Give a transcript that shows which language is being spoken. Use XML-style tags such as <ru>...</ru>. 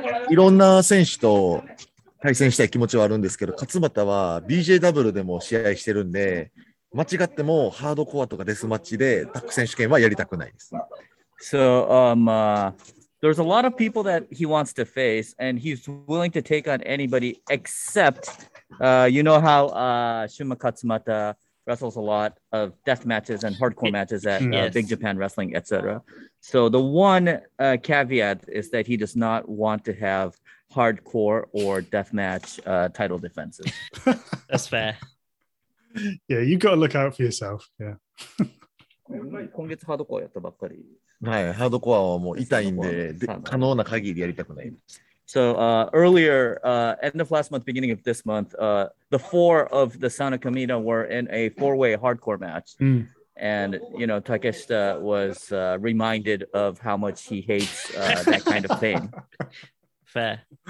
<ja>いろんな選手と対戦したい気持ちはあるんですけど、勝俣は BJW でも試合してるんで、間違ってもハードコアとかデスマッチでタッグ選手権はやりたくないです。</ja> <en>So, there's a lot of people that he wants to face, and he's willing to take on anybody except, you know how Shuma Katsumata wrestles a lot of death matches and hardcore matches at Big Japan Wrestling, etc. So the one caveat is that he does not want to have hardcore or deathmatch title defenses. That's fair. Yeah, you've got to look out for yourself. Yeah.</en> <ja>今月ハードコアやったばっかり。はい、ハードコアはもう痛いんで、可能な限りやりたくない。</ja> <en>So, earlier, end of last month, beginning of this month, the four of the Sana Kamina were in a four-way hardcore match. Mm. And, you know, Takeshita was reminded of how much he hates that kind of pain. Fair.</en>